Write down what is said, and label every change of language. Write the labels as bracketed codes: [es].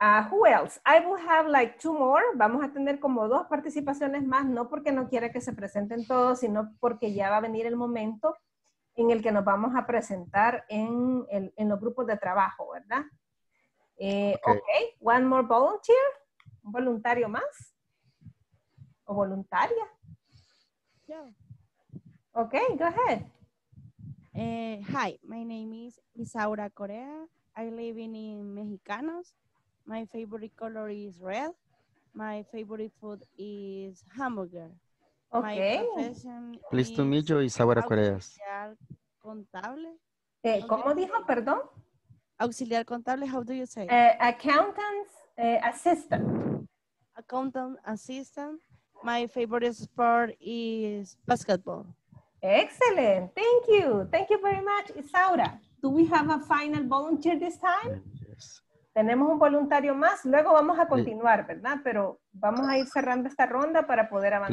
[en] Who else? I will have like two more. [es] Vamos a tener como dos participaciones más, no porque no quiera que se presenten todos, sino porque ya va a venir el momento en el que nos vamos a presentar en los grupos de trabajo, ¿verdad? [en] Okay. Okay, one more volunteer, [es] un voluntario más, o voluntaria. [en] Yeah. Okay, go ahead. Hi, my name is Isaura Corea. I live in Mexicanos. My favorite color is red. My favorite food is hamburger. Okay. Pleased to meet you, Isaura Corea. [es] ¿Cómo dijo? Perdón. Auxiliar contable. [en] How do you say? Accountant assistant. Accountant assistant. My favorite sport is basketball. Excellent. Thank you. Thank you very much, Isaura. Do we have a final volunteer this time? Yes. [es] Tenemos un voluntario más. Luego vamos a continuar, ¿verdad? Pero vamos a ir cerrando esta ronda para poder avanzar.